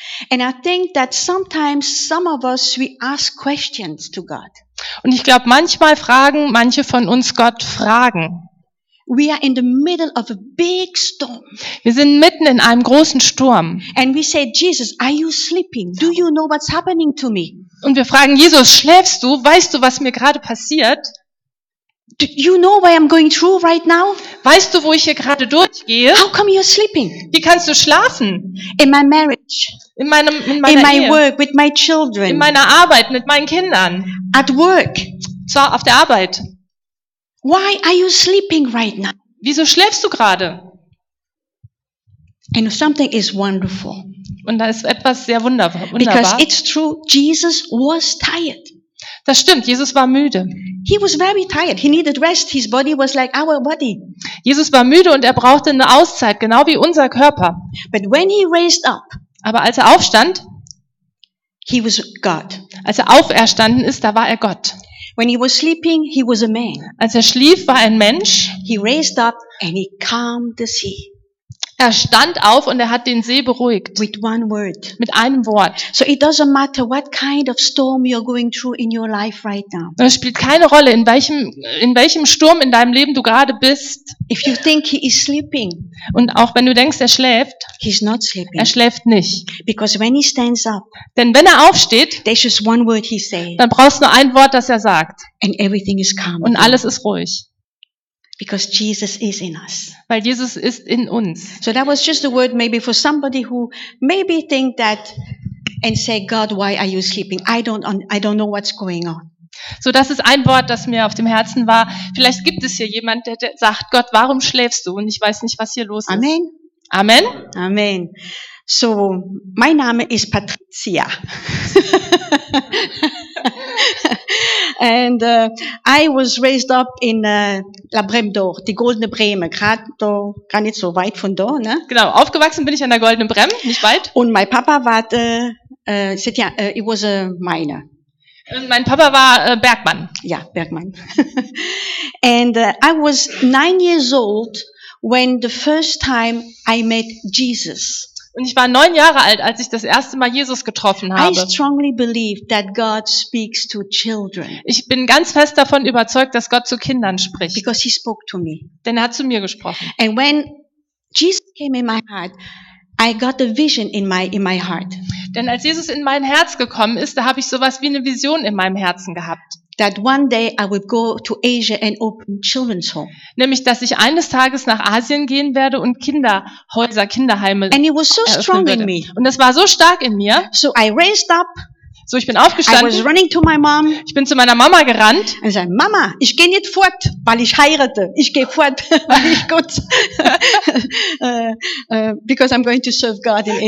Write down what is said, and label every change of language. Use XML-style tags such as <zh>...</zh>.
<en>And I think that sometimes some of us we ask questions to God.</en> <de>Und ich glaube, manchmal fragen manche von uns Gott Fragen.</de> <en>We are in the middle of a big storm.</en> <de>Wir sind mitten in einem großen Sturm.</de> <en>And we say, Jesus, are you sleeping? Do you know what's happening to me?</en> <de>Und wir fragen Jesus, schläfst du? Weißt du, was mir gerade passiert?</de> <en>Do you know why I'm going through right now?</en> <de>Weißt du, wo ich hier gerade durchgehe?</de> <en>How come you're sleeping?</en> <de>Wie kannst du schlafen?</de> <en>In my marriage.</en> <de>In meiner</de> <en>Ehe. Work with my children.</en> <de>In meiner Arbeit mit meinen Kindern.</de> <en>At work.</en> <de>So, auf der Arbeit.</de> <en>Why are you sleeping right now?</en> <de>Wieso schläfst du gerade?</de> <en>And something is wonderful.</en> <de>Und da ist etwas sehr wunderbar.</de> <en>Because it's true, Jesus was tired.</en> <de>Das stimmt, Jesus war müde.</de> <en>He was very tired. He needed rest. His body was like our body.</en> <de>Jesus war müde und er brauchte eine Auszeit, genau wie unser Körper.</de> <en>But when he raised up,</en> <de>aber als er aufstand,</de> <en>he was God.</en> <de>Als er auferstanden ist, da war er Gott.</de> <en>When he was sleeping, he was a man.</en> <de>Als er schlief, war er ein Mensch.</de> <en>He raised up and he calmed the sea.</en> <de>Er stand auf und er hat den See beruhigt.</de> <en>With one word.</en> <de>Mit einem Wort.</de> <en>So it doesn't matter what kind of storm you're going through in your life right now.</en> <de>Es spielt keine Rolle, in welchem Sturm in deinem Leben du gerade bist.</de> <en>If you think he is sleeping.</en> <de>Und auch wenn du denkst, er schläft.</de> <en>He's not sleeping.</en> <de>Er schläft nicht.</de> <en>Because when he stands up.</en> <de>Denn wenn er aufsteht,</de> <en>there's just one word he says.</en> <de>Dann brauchst du nur ein Wort, das er sagt.</de> <en>And everything is calm.</en> <de>Und alles ist ruhig.</de> <en>Because Jesus is in us.</en> <de>Weil Jesus ist in uns.</de> <en>So that was just a word maybe for somebody who maybe think that and say, God, why are you sleeping? I don't know what's going on.</en> <de>So das ist ein Wort, das mir auf dem Herzen war. Vielleicht gibt es hier jemand, der sagt, Gott, warum schläfst du? Und ich weiß nicht, was hier los ist. Amen. Amen. Amen. So, mein Name ist Patricia.</de> <en>And I was raised up in</en> <de>La Brème d'Or, die Goldene Brême, gar nicht so weit von da. Ne? Genau, aufgewachsen bin ich an der Goldenen Brême, nicht weit. Und mein Papa war,</de> <en>it was a miner.</en> <de>Mein Papa war Bergmann. Ja, Bergmann.</de> <en>And I was 9 years old when the first time I met Jesus.</en> <de>Und ich war 9 Jahre alt, als ich das erste Mal Jesus getroffen habe.</de> <en>I strongly believe that God speaks to children.</en> <de>Ich bin ganz fest davon überzeugt, dass Gott zu Kindern spricht.</de> <en>Because he spoke to me.</en> <de>Denn er hat zu mir gesprochen.</de> <en>And when Jesus came in my heart, I got a vision in my heart.</en> <de>Denn als Jesus in mein Herz gekommen ist, da habe ich sowas wie eine Vision in meinem Herzen gehabt.</de> <en>That one day I would go to Asia and open children's home.</en> <de>Nämlich, dass ich eines Tages nach Asien gehen werde und Kinderhäuser, Kinderheime eröffnen würde.</de> <en>And it was so strong in me.</en> <de>Und das war so stark in mir.</de> <en>So I raised up.</en> <de>So, ich bin aufgestanden.</de> <en>I was running to my mom.</en> <de>Ich bin zu meiner Mama gerannt. Und sagte, Mama, ich gehe nicht fort, weil ich heirate. Ich gehe fort, weil ich Gott,</de> <en>because I'm going to serve God in Asia.</en>